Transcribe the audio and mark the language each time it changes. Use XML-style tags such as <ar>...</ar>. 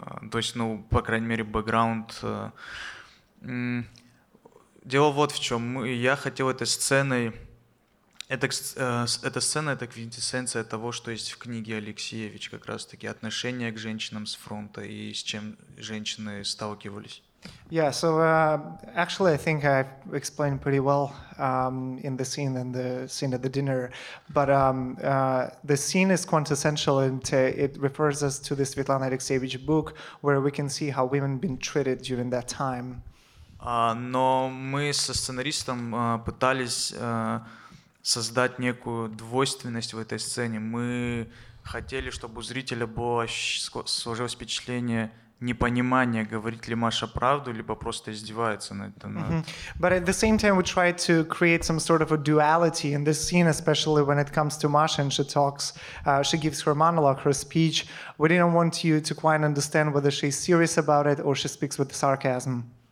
<ru>То есть, ну, по крайней мере, бэкграунд. Дело вот в чем. Я хотел этой сценой... Эта сцена — это квинтэссенция того, что есть в книге Алексеевич, как раз-таки отношение к женщинам с фронта и с чем женщины сталкивались.</ru> <en>Yeah, so actually I think I've explained pretty well in the scene and the scene at the dinner, but the scene is quintessential, and it refers us to the Svetlana Alexievich book where we can see how women been treated during that time.</en> <ru>Но мы со сценаристом пытались создать некую двойственность в этой сцене. Мы хотели, чтобы у зрителя сложилось впечатление непонимание, говорит ли Маша правду, либо просто издевается над этим. Mm-hmm.</ru> <en>But at the same time, we try to create some sort of a duality in this scene, especially when it comes to Masha and she talks, she gives her monologue, her speech. We didn't want you to quite understand whether she's serious about it or she speaks with sarcasm.</en>